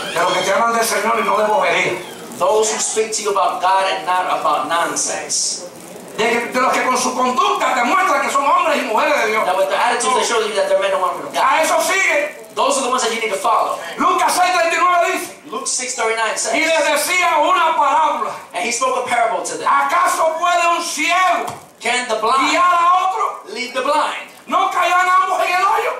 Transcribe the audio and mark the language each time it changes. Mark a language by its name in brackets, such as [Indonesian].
[Spanish] De los que te hablan del Señor y no de bobería. [English] Those who speak to you about God and not about nonsense. [Spanish] De los que con su conducta demuestran que son hombres y mujeres de Dios. [English] That with their attitudes they show you that they're men and women of God. [Spanish] A eso sigue. [English] Those are the ones that you need to follow. [Spanish] Lucas 6:39 dice. [English] Luke 6:39 says, [Spanish] y les decía una parábola. [English] And he spoke a parable to them. [Spanish] ¿Acaso puede un ciego? [English] Can the blind [Spanish] guiar a otro? [English] Lead the blind. [Spanish] ¿No caerán ambos en el hoyo?